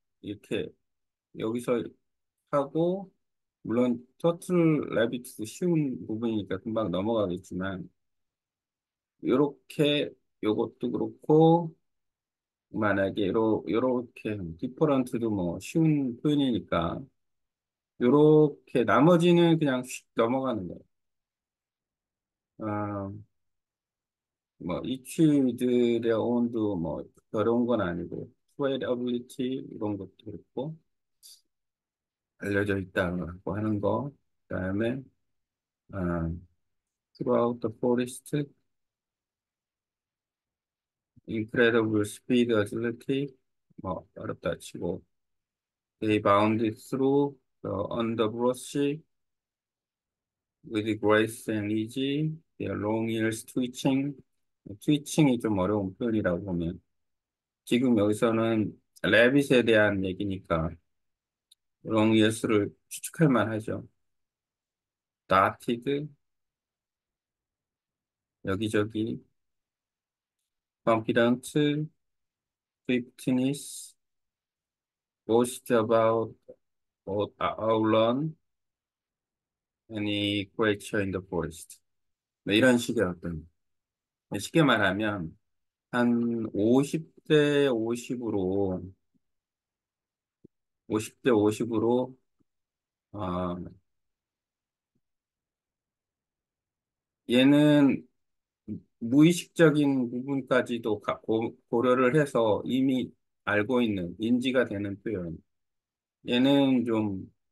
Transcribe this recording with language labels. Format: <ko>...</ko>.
<ko>이렇게 여기서 하고, 물론 터틀 래빗도 쉬운 부분이니까 금방 넘어가겠지만, 이렇게 요것도 그렇고, 만약에 요렇게 디퍼런트도 뭐 쉬운 표현이니까, 요렇게 나머지는 그냥 슉 넘어가는 거예요. 뭐 이치들의 온도 뭐 어려운 건 아니고, 스웨어빌리티 이런 것도 있고 알려져 있다고 하는 거. 그다음에</ko> <en>throughout the forest, incredible speed agility,</en> <ko>뭐 어렵다 치고,</ko> <en>they bounded through on the underbrush with grace and easy, their long ears twitching.</en> <ko>Twitching이 좀 어려운 표현이라고 보면, 지금 여기서는 래빗에 대한 얘기니까</ko> <en>long ears</en> <ko>를 추측할 만하죠.</ko> <en>Dotted,</en> <ko>여기저기,</ko> <en>confident, swiftness, boast about outrun any creature in the forest.</en> <ko>뭐 이런 식의 어떤, 쉽게 말하면 한 50대 50으로, 50대 50으로 얘는 무의식적인 부분까지도 고려를 해서 이미 알고 있는, 인지가 되는 표현. 얘는 좀</ko>